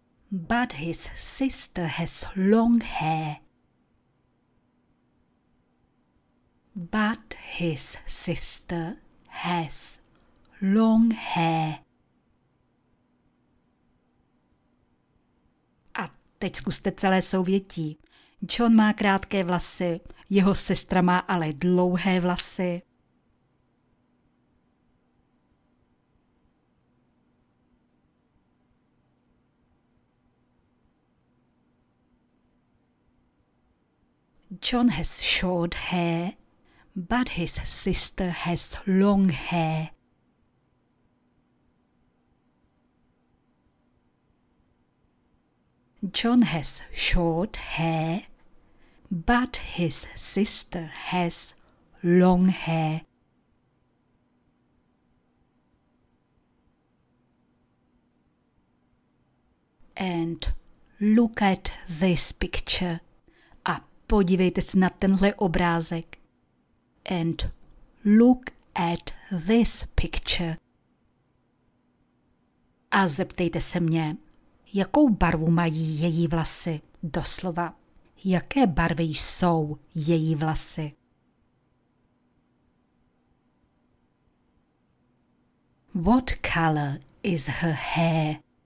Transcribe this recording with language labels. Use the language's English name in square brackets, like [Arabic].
[English] But his sister has long hair. But his sister has long hair. [Czech] A teď zkuste celé souvětí. John má krátké vlasy, jeho sestra má ale dlouhé vlasy. [English] John has short hair, but his sister has long hair. John has short hair, but his sister has long hair. And look at this picture. [Czech] A podívejte se na tenhle obrázek. [English] And look at this picture. [Czech] A zeptejte se mě. Jakou barvu mají její vlasy? Doslova, jaké barvy jsou její vlasy? [English] What color is her hair?